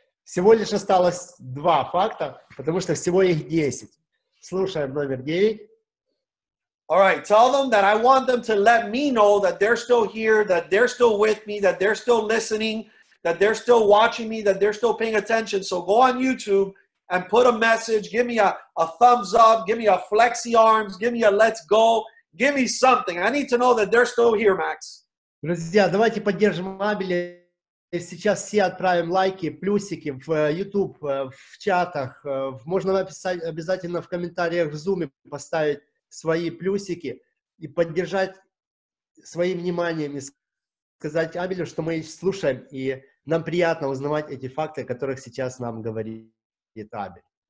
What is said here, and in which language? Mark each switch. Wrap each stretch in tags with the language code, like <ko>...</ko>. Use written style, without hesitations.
<ru>Всего лишь осталось 2 факта, потому что всего их 10. Слушаем номер 9.</ru> <en>All right, tell them that I want them to let me know that they're still here, that they're still with me, that they're still listening, that they're still watching me, that they're still paying attention. So go on YouTube and put a message, give me a thumbs up, give me a flexi arms, give me a let's go, give me something. I need to know that they're still here, Max.</en> <ru>Друзья, давайте поддержим Абеля. Сейчас все отправим лайки, плюсики в YouTube, в чатах. Можно написать обязательно в комментариях в Zoom поставить свои плюсики и поддержать своим вниманием и сказать Абелю, что мы слушаем, и нам приятно узнавать эти факты, о которых сейчас нам говорит Абель.</ru>